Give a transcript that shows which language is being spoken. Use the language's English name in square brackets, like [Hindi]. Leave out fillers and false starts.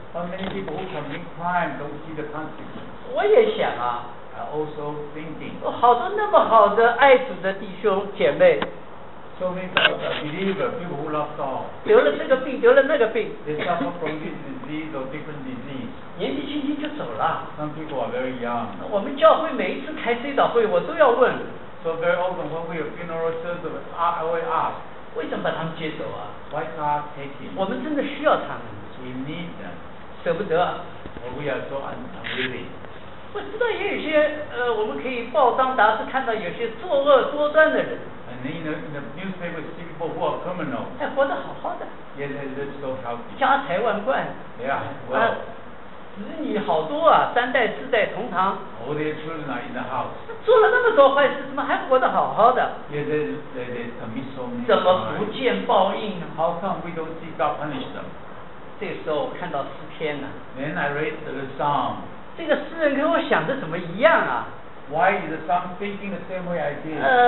[English] But many people who commit crime don't see the consequences. [Chinese] 我也想啊。 [English] I also thinking. [Chinese] 好多那么好的爱主的弟兄姐妹。 [English] So many believers, people who love God. [Chinese] 得了这个病，得了那个病。 [English] They suffer from this disease or different disease. [Chinese] 年纪轻轻就走了。 [English] Some people are very young. [Chinese] 我们教会每一次开追悼会，我都要问。 [English] So very often when we have funeral service, I will ask. [Chinese] 为什么把他们接走啊？ [English] Why not take him? [Chinese] 我们真的需要他们。 [English] We need them. [Chinese] 舍不得。 [English] Or we are so unwilling. [Chinese] 我知道也有些我们可以报章杂志看到有些作恶多端的人。 [English] And then in the newspaper see people who are criminal. [Chinese] 还活得好好的。 [English] Yet they live so healthy. [Chinese] 家财万贯。 [English] Yeah, well. [Chinese] 子女好多啊，三代四代同堂。 [English] All their children are in the house. [Chinese] 做了那么多坏事，怎么还活得好好的？ [English] Yeah, they commit so many crimes. [Chinese] 怎么不见报应？ [English] How come we don't see God punish them? [Chinese] 这时候我看到诗篇了。 [English] Then I read the psalm. [Chinese] 这个诗人跟我想的怎么一样啊？ [English] Why is the psalm thinking the same way I did?